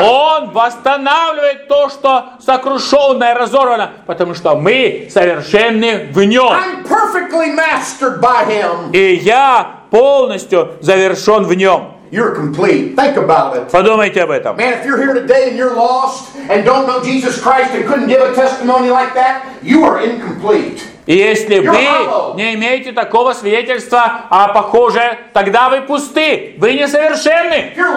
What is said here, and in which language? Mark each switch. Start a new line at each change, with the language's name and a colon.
Russian: Он восстанавливает то, что сокрушенное, разорвано, потому что мы совершенны в Нем.
English: I'm perfectly mastered by him.
Russian: И я полностью завершен в Нем.
English: You're complete. Think about it.
Russian: Подумайте об этом.
English: Man, if you're here today and you're lost and don't know Jesus Christ and couldn't give a testimony like that, you are incomplete.
Russian: И если вы не имеете такого свидетельства, а похоже, тогда вы пусты, вы несовершенны.